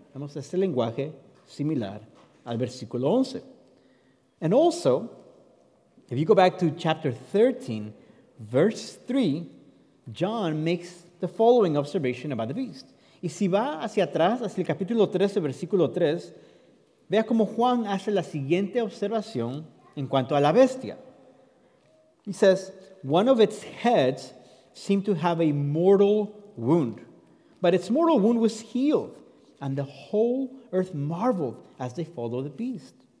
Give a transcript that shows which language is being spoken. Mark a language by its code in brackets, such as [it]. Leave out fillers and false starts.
[es] Vemos este lenguaje similar al versículo 11. [en] And also, if you go back to chapter 13, verse 3, John makes the following observation about the beast. [es] Y si va hacia atrás, hacia el capítulo 13, versículo 3, vea cómo Juan hace la siguiente observación en cuanto a la bestia. [en] He says, one of its heads seemed to have a mortal wound, but its mortal wound was healed, and the whole earth marveled as they followed the beast.